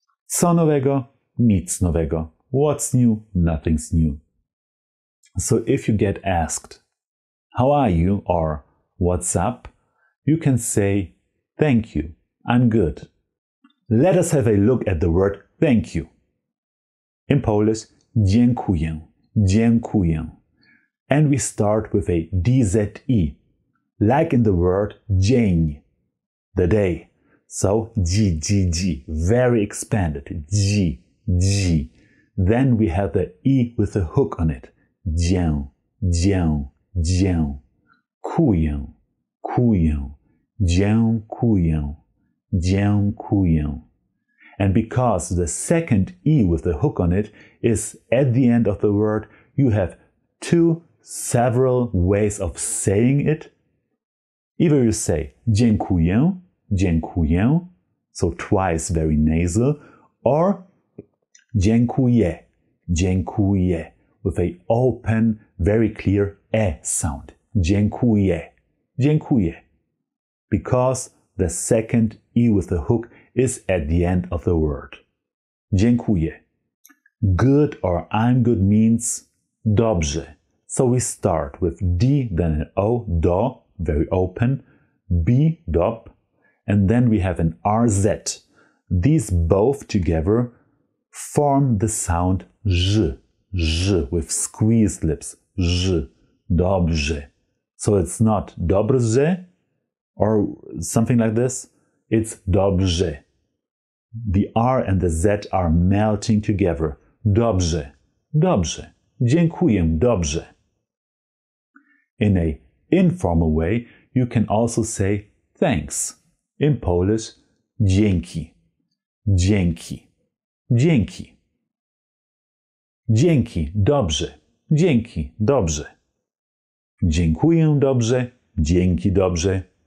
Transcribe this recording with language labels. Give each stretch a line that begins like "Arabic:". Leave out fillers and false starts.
Polish: Co nowego? Nic nowego.
English: What's new? Nothing's new. So if you get asked, how are you or what's up? You can say, thank you, I'm good. Let us have a look at the word thank you. In Polish, dziękuję, dziękuję. And we start with a DZE, like in the word dzień, the day. So GGG, very expanded, G, G. Then we have the E with a hook on it. Dzię, dzię, dzię.
Polish: Kuję, kuję. Dziękuję, dziękuję.
English: And because the second E with the hook on it is at the end of the word, you have two several ways of saying it. Either you say dziękuję, dziękuję, so twice very nasal, or dziękuję, dziękuję, with a open, very clear e sound.
Polish: Dziękuję, dziękuję.
English: Because the second e with the hook is at the end of the word. Dziękuję. Good or I'm good means dobrze. So we start with D, then an O, do, very open, B, dob, and then we have an RZ. These both together form the sound Ż, Ż, with squeezed lips, Ż, dobrze. So it's not dobrze or something like this, it's dobrze. The R and the Z are melting together.
Polish: Dobrze, dobrze, dziękuję, dobrze.
English: In a informal way, you can also say thanks. In Polish,
Polish: dzięki, dzięki, dzięki. Dzięki, dobrze, dzięki, dobrze. Dziękuję, dobrze, dzięki, dobrze.